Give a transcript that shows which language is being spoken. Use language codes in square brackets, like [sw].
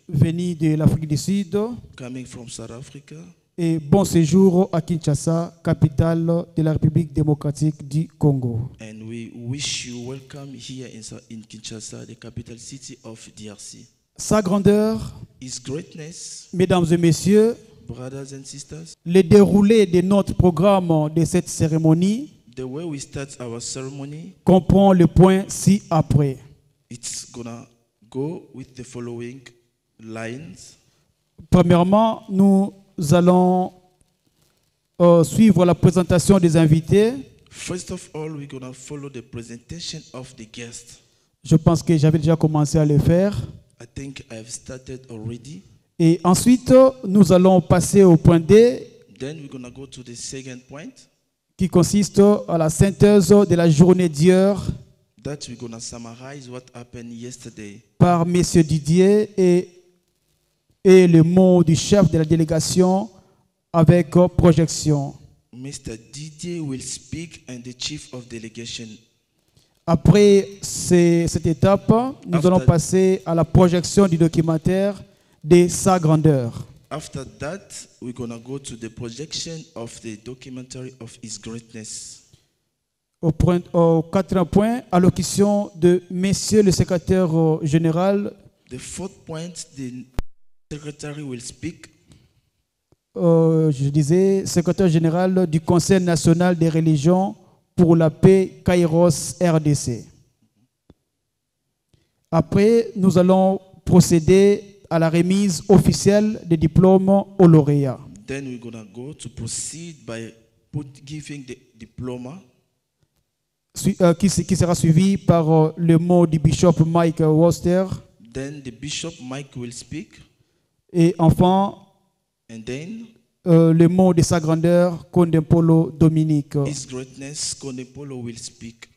[fr] Venu de l'Afrique du Sud. [en] Coming from South Africa. [fr] Et bon séjour à Kinshasa, capitale de la République démocratique du Congo. [en] And we wish you welcome here in Kinshasa, the capital city of DRC. [fr] Sa grandeur. [en] His greatness. [fr] Mesdames et messieurs. [en] Brothers and sisters. [fr] Le déroulé de notre programme de cette cérémonie. [en] The way we start our ceremony. [fr] Comprend le point ci après. [en] It's gonna go with the following lines. [fr] Premièrement, nous nous allons suivre la présentation des invités. [en] First of all, we're going to follow the presentation of the guests. [fr] Je pense que j'avais déjà commencé à le faire. [en] I think I've started already. [fr] Et ensuite, nous allons passer au point D. [en] Then we're gonna go to the second point. [fr] Qui consiste à la synthèse de la journée d'hier. [en] That we're gonna summarize what happened yesterday. [fr] Par M. Didier et le mot du chef de la délégation avec projection. [en] Mr. Didier will speak and the chief of delegation. [fr] Après cette étape, nous [en] after [fr] allons passer à la projection du documentaire de sa grandeur. [en] After that, we're gonna go to the projection of the documentary of his greatness. [fr] Au quatrième point, allocution de Monsieur le Secrétaire Général. [en] The fourth point, the secretary will speak. [fr] Je disais, Secrétaire Général du Conseil National des Religions pour la paix, Kairos, RDC. Après, nous allons procéder à la remise officielle des diplômes aux lauréats. [en] Then we're gonna go to proceed by giving the diploma. [fr] Qui sera suivi par le mot du Bishop Mike Worcester. [en] Then the Bishop Mike will speak. [fr] Et enfin, [en] and then, [fr] le mot de sa grandeur, Condempolo Dominique. [en] His greatness, Condempolo will speak.